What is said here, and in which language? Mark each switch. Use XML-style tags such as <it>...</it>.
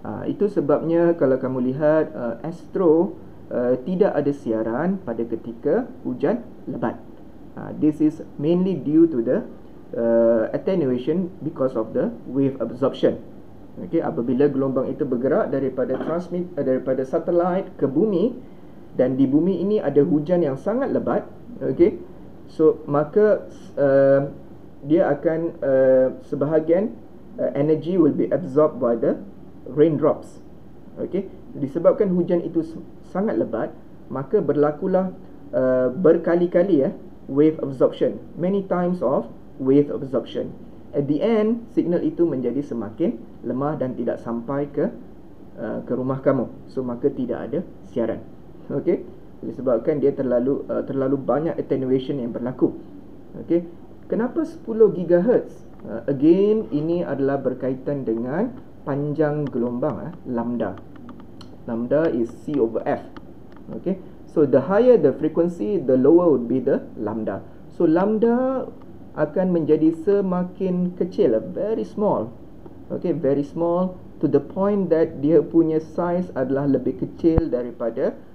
<ms>Itu sebabnya kalau kamu lihat Astro tidak ada siaran pada ketika hujan lebat.</ms> <en>This is mainly due to the attenuation because of the wave absorption.</en> <ms>Okay, apabila gelombang itu bergerak daripada daripada satelit ke bumi, dan di bumi ini ada hujan yang sangat lebat, okay, so maka dia akan sebahagian</ms> <en>energy will be absorbed by the raindrops.</en> <ms>Okay, disebabkan hujan itu sangat lebat, maka berlakulah berkali-kali wave absorption,</ms> <en>many times of wave absorption. At the end,</en> <ms>signal itu menjadi semakin lemah dan tidak sampai ke ke rumah kamu. So maka tidak ada siaran. Okey, disebabkan dia terlalu banyak attenuation yang berlaku. Okey, kenapa 10 GHz? Again, ini adalah berkaitan dengan panjang gelombang, lambda.</ms> <en>Lambda is C over F. Okey, so the higher the frequency, the lower would be the lambda.</en> <ms>So lambda akan menjadi semakin kecil,</ms> <en>very small. Okay, very small to the point that</en> <ms>dia punya size adalah lebih kecil daripada</ms>